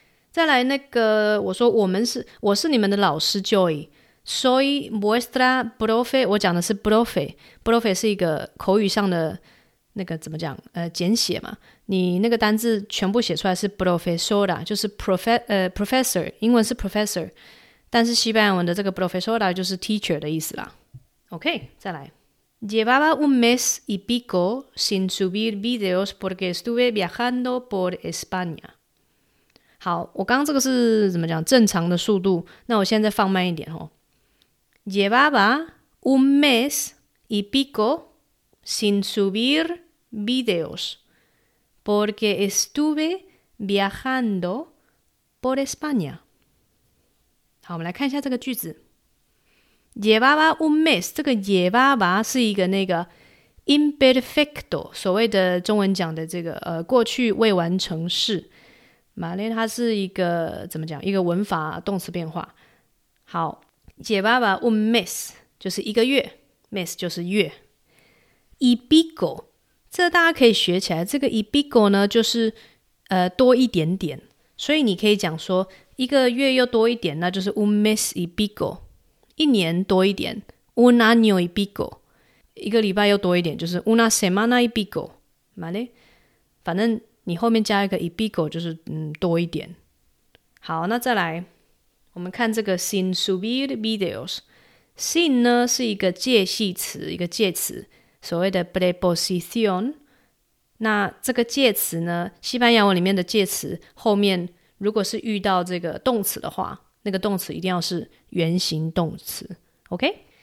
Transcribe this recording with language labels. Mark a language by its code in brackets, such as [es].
[zh] 再来那个我说我是你们的老师 Joy, [es] soy vuestra profe, [zh] 我讲的是 profe 是一个口语上的那个怎么讲简写嘛，你那个单字全部写出来是 profesora, 就是 professor, 英文是 professor, 但是西班牙文的这个 profesora 就是 teacher 的意思啦。 OK, 再来。 [es] Llevaba un mes y pico sin subir videos porque estuve viajando por España. [zh] 好，我刚刚这个是怎么讲？正常的速度。那我现在放慢一点哦。 [es] Llevaba un mes y pico sin subir videos porque estuve viajando por España. [zh] 好，我们来看一下这个句子。 [es] Llevaba un mes, [zh] 这个 llevaba 是一个那个 imperfecto, 所谓的中文讲的这个过去未完成式。 Vale, 它是一个怎么讲？一个文法动词变化。好 [es] ,llevaba un mes, [zh] 就是一个月 ,mes 就是月。Y pico, 这大家可以学起来，这个 y pico 呢就是多一点点。所以你可以讲说一个月又多一点，那就是 [es] un mes y pico。 [zh] 一年多一点 [es] un año y pico, [zh] 一个礼拜又多一点就是 [es] una semana y pico, [zh] ¿vale? 反正你后面加一个 y pico 就是多一点。好，那再来我们看这个 [es] sin subir videos, [zh] sin 呢是一个介系词，一个介词，所谓的 preposición, 那这个介词呢，西班牙文里面的介词后面如果是遇到这个动词的话，那个动词一定要是原形动词 ,OK?